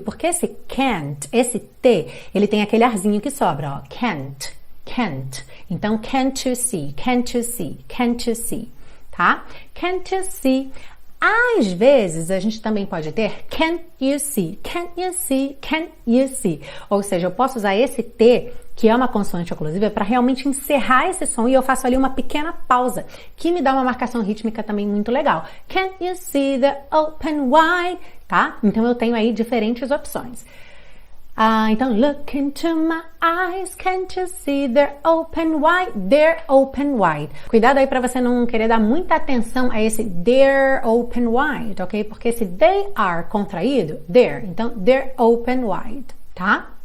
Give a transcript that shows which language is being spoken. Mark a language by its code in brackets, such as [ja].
[pt] Porque esse can't, esse T, ele tem aquele arzinho que sobra, ó. [en] Can't, can't. Então, can't you see, can't you see, can't you see, tá? Can't you see? [pt] Às vezes, a gente também pode ter [en] can't you see, can't you see, can't you see. [pt] Ou seja, eu posso usar esse T, que é uma consoante oclusiva, para realmente encerrar esse som e eu faço ali uma pequena pausa, que me dá uma marcação rítmica também muito legal. [en] Can't you see the open wide? [pt] Tá? Então, eu tenho aí diferentes opções. [en] Então, look into my eyes, can't you see they're open wide? They're open wide. [pt] Cuidado aí para você não querer dar muita atenção a esse [en] they're open wide, [pt] ok? Porque esse [en] they are [pt] contraído, they're. Então, [en] they're open wide, [pt] tá?